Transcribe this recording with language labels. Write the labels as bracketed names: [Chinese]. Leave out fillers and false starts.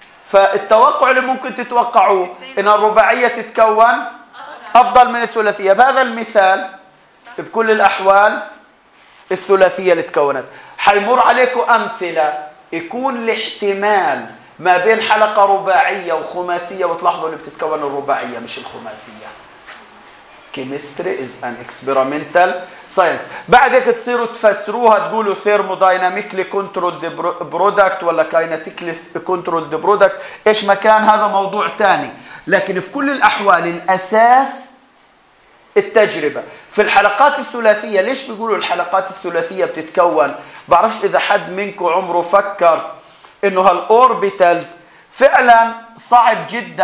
[Arabic] فالتوقع اللي ممكن تتوقعوه ان الرباعية تتكون افضل من الثلاثية. بهذا المثال بكل الاحوال الثلاثية اللي تكونت. حيمر عليكم امثلة يكون الاحتمال ما بين حلقة رباعية وخماسية، وتلاحظوا اللي بتتكون الرباعية مش الخماسية. [English] Chemistry is an experimental science. [Arabic] بعدك تصيروا تفسروها تقولوا [English] thermodynamically controlled product [Arabic] ولا [English] kinetically controlled product، [Arabic] ايش مكان هذا موضوع ثاني. لكن في كل الاحوال الاساس التجربة. في الحلقات الثلاثية ليش بيقولوا الحلقات الثلاثية بتتكون؟ بعرفش اذا حد منكم عمره فكر انه هالاوربيتالز فعلا صعب جدا.